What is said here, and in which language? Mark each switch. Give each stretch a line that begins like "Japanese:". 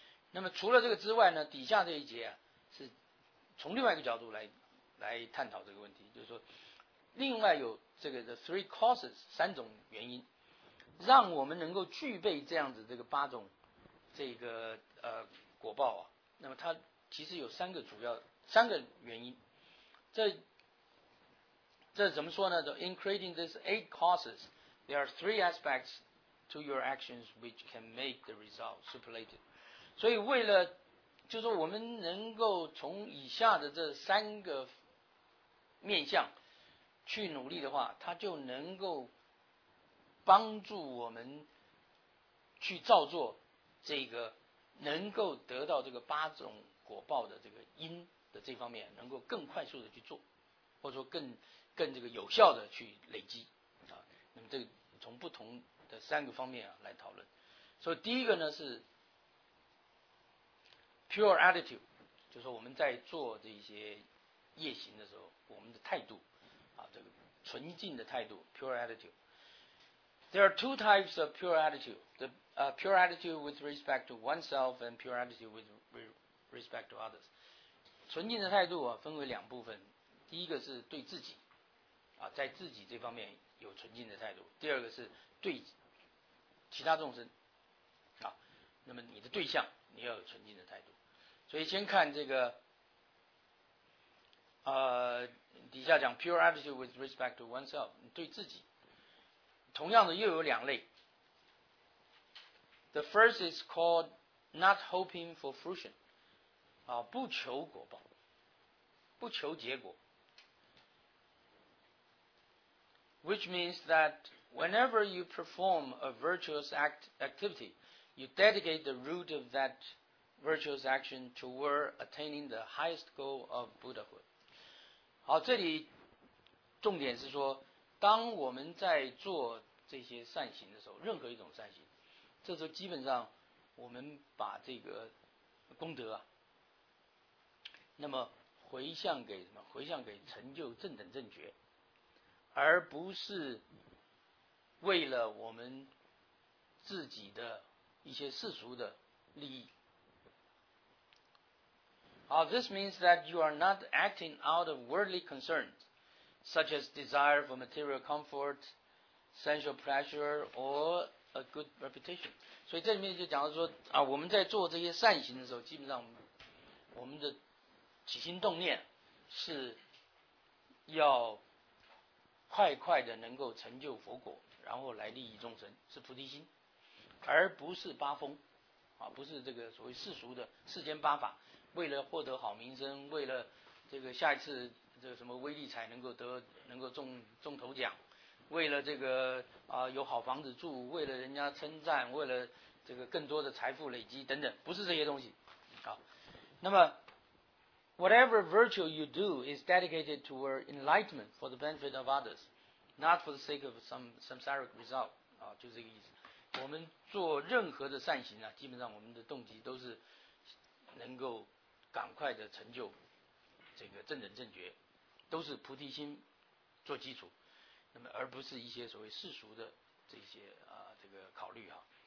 Chinese: 那么除了这个之外呢，底下这一节啊是从另外一个角度来探讨这个问题，就是说另外有这个
English: the three causes
Chinese: 三种原因，让我们能够具备这样子这个八种这个果报啊。那么它其实有三个主要三个原因，这怎么说呢？
English: In creating these eight causes, there are three aspects to your actions which can make the result superlative.
Chinese: 所以为了就是我们能够从以下的这三个面向去努力的话，它就能够帮助我们去造作这个能够得到这个八种果报的这个因的这方面能够更快速的去做，或者说更这个有效的去累积啊。那么这个从不同的三个方面啊来讨论。所以第一个呢是 pure attitude， 就是我们在做这些夜行的时候我们的态度啊，这个纯净的态度 pure attitude。
English: There are two types of pure attitude, the pure attitude with respect to oneself and pure attitude with respect to others。
Chinese: 纯净的态度啊分为两部分，第一个是对自己啊，在自己这方面有纯净的态度，第二个是对其他众生啊，那么你的对象你要有纯净的态度。所以先看这个底下讲
English: pure attitude with respect to oneself，
Chinese: 对自己，同样的又有两类。
English: The first is called not hoping for fruition， 啊，
Chinese: 不求果报，不求结果。
English: Which means that whenever you perform a virtuous activity, you dedicate the root of that virtuous action toward attaining the highest goal of Buddhahood.
Chinese: 好，这里重点是说，当我们在做这些善行的时候，任何一种善行，这时候基本上我们把这个功德啊，那么回向给什么？回向给成就正等正觉。而不是为了我们自己的一些世俗的利益。
English: 好， this means that you are not acting out of worldly concerns, such as desire for material comfort, sensual pleasure, or a good reputation.
Chinese: 所以这里面就讲到说啊，我们在做这些善行的时候，基本上我们的起心动念是要快快的能够成就佛果，然后来利益众生，是菩提心，而不是八风啊，不是这个所谓世俗的世间八法，为了获得好名声，为了这个下一次这个什么威力才能够得能够中头奖，为了这个有好房子住，为了人家称赞，为了这个更多的财富累积等等，不是这些东西啊。
English: 那么Whatever virtue you do is dedicated toward enlightenment for the benefit of others, not for the sake of some samsaric result.
Chinese: 啊，就这个意思。我们做任何的善行啊，基本上我们的动机都是能够赶快的成就这个正等正觉，都是菩提心做基础，那么而不是一些所谓世俗的这些这个考虑哈。